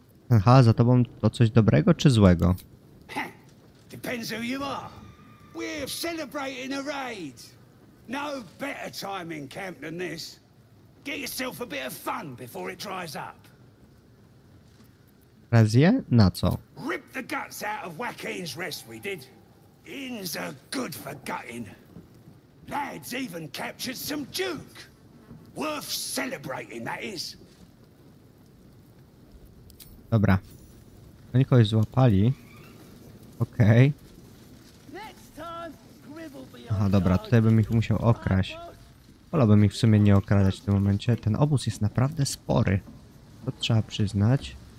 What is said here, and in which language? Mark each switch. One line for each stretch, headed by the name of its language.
Polish: Aha, za tobą to coś dobrego czy złego?
English: Depends who you are. We're celebrating a raid. No better time in camp than this. Get yourself a bit of fun before it dries up.
Polish: Razie? Na co?
English: Rip the guts out of Joaquin's rest we did. Inns are good for gutting. Lads even captured some duke. Worth celebrating, that is.
Polish: Dobra. Oni kogoś złapali. Okej. Okay. Aha, dobra, tutaj bym ich musiał okraść. Wolałbym ich w sumie nie okradać w tym momencie. Ten obóz jest naprawdę spory. To trzeba przyznać.